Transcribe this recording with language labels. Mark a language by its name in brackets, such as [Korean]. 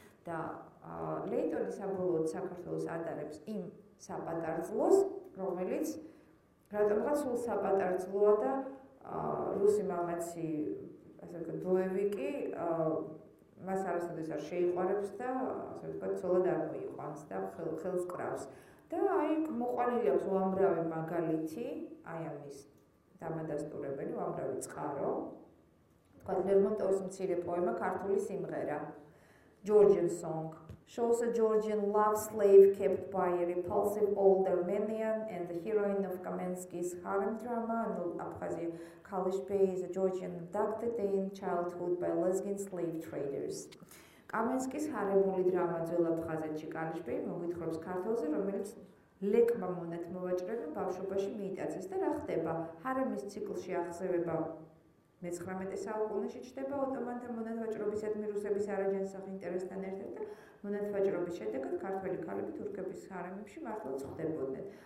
[Georgian] და ლეიტონი საბოლოოდ საქართველოს ატარებს იმ საპატარძლოს, რომელიც რატომღაც სულ საპატარძლოა და რუსი მამაცი, ასე ვთქვათ, დოევიკი მას არასოდეს არ შეიყვარებს და ასე ვთქვათ, ცოლად არ მოიყვანს და ხელს კრავს. და აი მოყვანილი აქვს უამრავი მაგალითი, აი ამის დამადასტურებელი უამრავი წყარო, ვთქვათ, ლერმონტოვის მცირე პოემა „ქართული სიმღერა“, [English] Georgian song, shows a Georgian love slave kept by a repulsive old Armenian, and the heroine of Kamensky's harem drama, and Abkhazia Kalishbey, is a Georgian abducted in childhood by lesbian slave traders. [Georgian] Kamensky's haremuli drama, ძველ აფხაზეთში კალიშბეი, მოგვითხრობს ქართველზე, რომელიც ლეკმა მონად მოვაჭრებენ ბავშვობაში მიიტაცეს. და რა ხდება? ჰარემის ციკლში აღზევება მე-19 საუკუნეში ჩდება ოტომანთა მონათვაჭრობისადმი რუსების არაჯანსაღ ინტერესთან ერთად და მონათვაჭრობის შედეგად ქართველი ქალები თურქების ჰარემებში მართლაც ხვდებოდნენ.